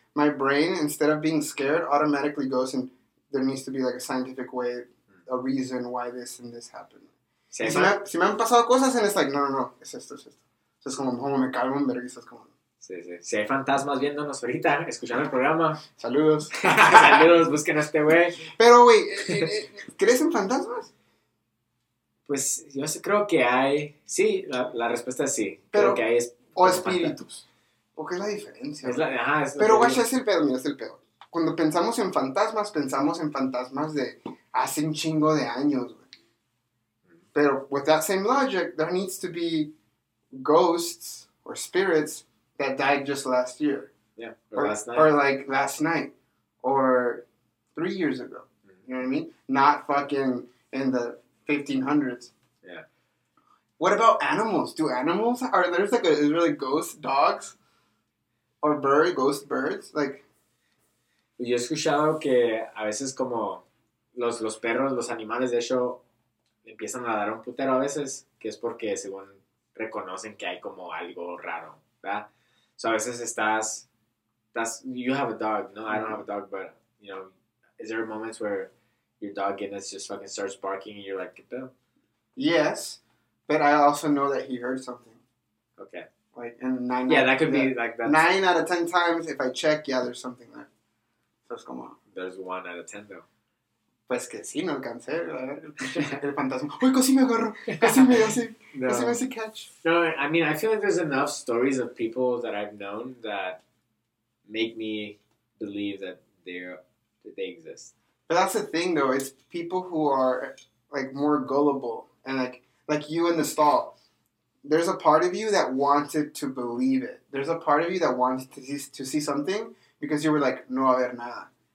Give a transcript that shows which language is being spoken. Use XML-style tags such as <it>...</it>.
<en>My brain, instead of being scared, automatically goes and there needs to be like a scientific way, a reason why this and this happened.</en> <es>Si me han pasado cosas,</es> <en>and it's like,</en> <es>no, es esto. So es como, ¿cómo me calmo en vergüenza? Es como. Sí, sí. Si hay fantasmas viéndonos ahorita, escuchando el programa. Saludos. Saludos, busquen a este güey. Pero, güey, ¿crees en fantasmas? Pues yo creo que hay. Sí, la respuesta es sí. Pero, creo que hay o espíritus. Fantasmas. ¿O qué es la diferencia? Es el pedo, mira, es el pedo. Cuando pensamos en fantasmas de hace un chingo de años, güey.</es> <en>Pero, with that same logic, there needs to be ghosts or spirits that died just last year. Yeah, or last night. Or, like, last night. Or 3 years ago. Mm-hmm. You know what I mean? Not fucking in the 1500s. Yeah. What about animals? Do animals, are there's like, a really ghost dogs? Or bird, ghost birds, like.</en> <es>Yo he escuchado que a veces como los perros, los animales, de hecho, empiezan a dar un putero a veces, que es porque según reconocen que hay como algo raro, ¿verdad? O sea, a veces estás</es> <en>that's, you have a dog. No, I don't have a dog, but, you know, is there moments where your dog in this just fucking starts barking and you're like, get them? Yes, but I also know that he heard something. Okay. Like, and nine. Yeah, that could be like that. 9 out of 10 times, if I check, yeah, there's something there. Let's come on. There's 1 out of 10, though.</en> <es>Pues que sí, no alcancé, el fantasma. Uy, casi me agarro, casi me hace catch.</es> <en>No, I mean, I feel like there's enough stories of people that I've known that make me believe that they exist. But that's the thing, though. It's people who are, like, more gullible. And, like you in the stall. There's a part of you that wanted to believe it. There's a part of you that wanted to see something because you were like,</en> <es>no haber nada.</es>